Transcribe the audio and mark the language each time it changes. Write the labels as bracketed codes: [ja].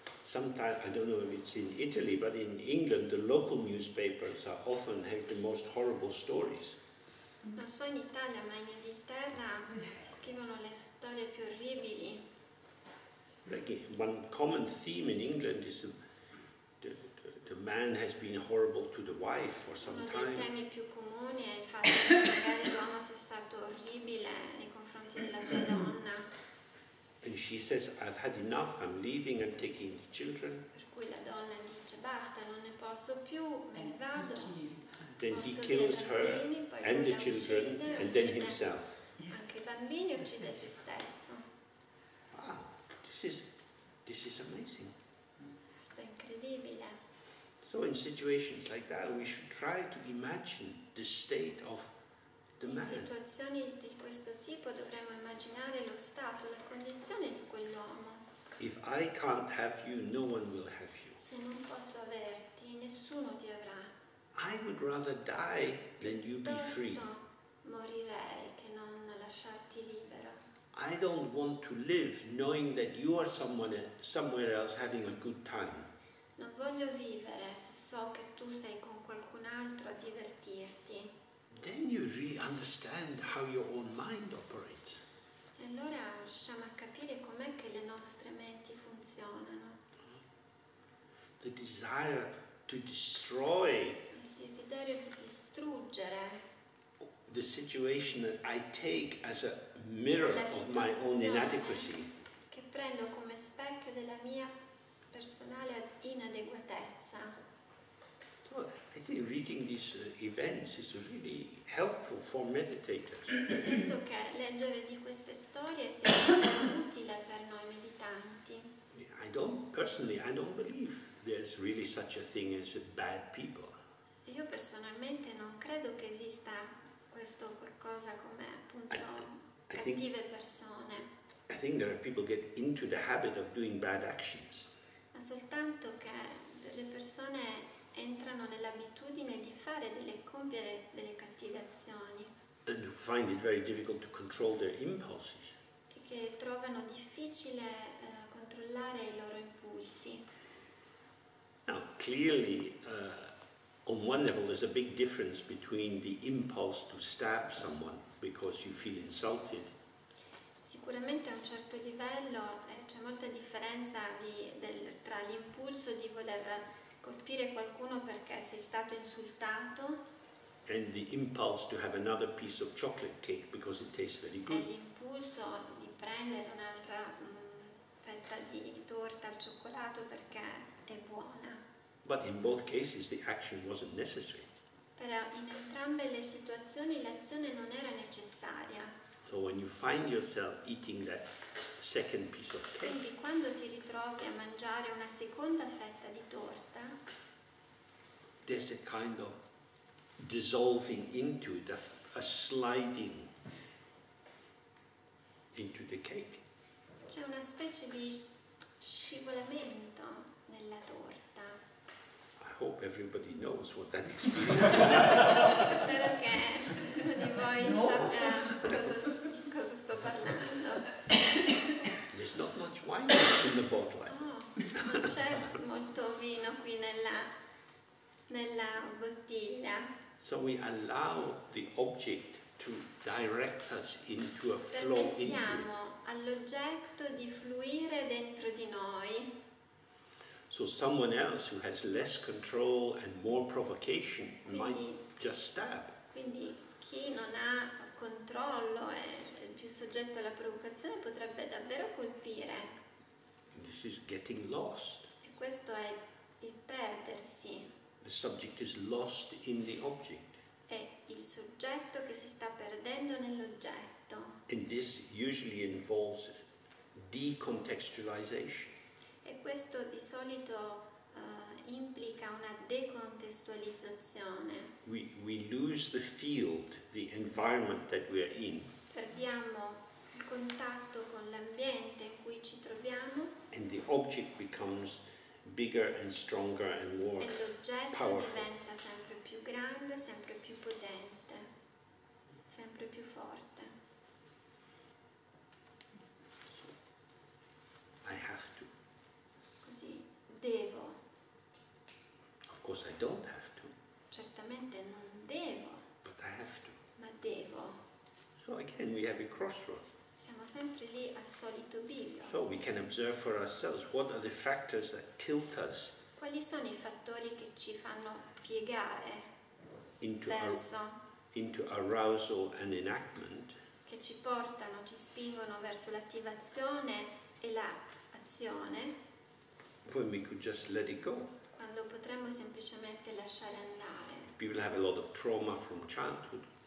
[en] Sometimes I don't know if it's in Italy, but in England the local newspapers are often have the most horrible stories. [it] Non so in Italia, ma in Inghilterra si scrivono le storie più orribili. [en] Like one common theme in England is the man has been horrible to the wife for some time. [it] Uno dei temi più comuni è il fatto che magari l'uomo sia stato orribile nei confronti della sua donna. [en] And she says, I've had enough, I'm leaving, I'm taking the children. [it] Per cui la donna dice, basta, non ne posso più, me ne vado. [en] Then he kills her and the children and then himself. [it] Anche i bambini uccide se stesso. [en] Ah, this is amazing. [it] Questo è incredibile. [en] So in situations like that, we should try to imagine the state of the man. [it] In situazioni di questo tipo dovremmo immaginare lo stato, la condizione di quell'uomo. [en] If I can't have you, no one will have you. [it] Se non posso averti, nessuno ti avrà. [en] I would rather die than you be free. [it] Piuttosto morirei che non lasciarti libero. [en] I don't want to live knowing that you are somewhere else having a good time. [it] Non voglio vivere se so che tu sei con qualcun altro a divertirti. [en] Then you really understand how your own mind operates. [it] E allora riusciamo a capire com'è che le nostre menti funzionano. [en] The desire to destroy. [it] Il desiderio di distruggere. [en] The situation that I take as a mirror of my own inadequacy. [it] Che prendo come specchio della mia personale inadeguatezza. [en] So, I think reading these events is really helpful for meditators. [it] Penso che leggere di queste storie sia utile per noi meditanti. [en] I don't believe there's really such a thing as bad people. [it] Io personalmente non credo che esista questo qualcosa come appunto cattive persone. [en] I think there are people get into the habit of doing bad actions. [it] Soltanto che le persone entrano nell'abitudine di fare delle compiere delle cattive azioni. [en] And find it very difficult to control their impulses. [it] E che trovano difficile controllare i loro impulsi. [en] Now, clearly, on one level, there's a big difference between the impulse to stab someone because you feel insulted. [it] Sicuramente a un certo livello c'è molta differenza tra l'impulso di voler colpire qualcuno perché sei stato insultato [en] and the impulse to have another piece of chocolate cake because it tastes very good. [it] E l'impulso di prendere un'altra fetta di torta al cioccolato perché è buona. [en] But in both cases the action wasn't necessary. [it] Però in entrambe le situazioni l'azione non era necessaria. [en] So when you find yourself eating that second piece of cake, [it] quindi quando ti ritrovi a mangiare una seconda fetta di torta, [en] there's a kind of dissolving into it, a sliding into the cake. [it] C'è una specie di scivolamento nella torta. [en] I hope everybody knows what that experience is. [it] Spero che uno di voi sappia cosa sto parlando. [en] There's not much wine left in the bottle. [it] Oh, non c'è molto vino qui nella bottiglia. [en] So we allow the object to direct us into a flow. [it] Permettiamo all'oggetto di fluire dentro di noi. [en] So someone else who has less control and more provocation might just stab. [it] Quindi chi non ha controllo e è più soggetto alla provocazione potrebbe davvero colpire. [en] This is getting lost. [it] E questo è il perdersi. [en] The subject is lost in the object. [it] È il soggetto che si sta perdendo nell'oggetto. [en] And this usually involves decontextualization. [it] E questo di solito implica una decontestualizzazione. [en] We lose the field, the environment that we are in. [it] Perdiamo il contatto con l'ambiente in cui ci troviamo. [en] And the object becomes bigger and stronger and more powerful. [it] E l'oggetto diventa sempre più grande, sempre più potente, sempre più forte. [en] I have to. [it] Così devo. [en] Of course I don't have to. [it] Certamente non devo. [en] But I have to. [it] Ma devo. [en] So again we have a crossroad. [it] Siamo sempre lì al solito bivio. [en] So we can observe for ourselves what are the factors that tilt us. [it] Quali sono i fattori che ci fanno piegare [en] into arousal and enactment. [it] Che ci portano, ci spingono verso l'attivazione e l'azione. [en] When we could just let it go. [it] Quando potremmo semplicemente lasciare andare. [en] If people have a lot of trauma from childhood.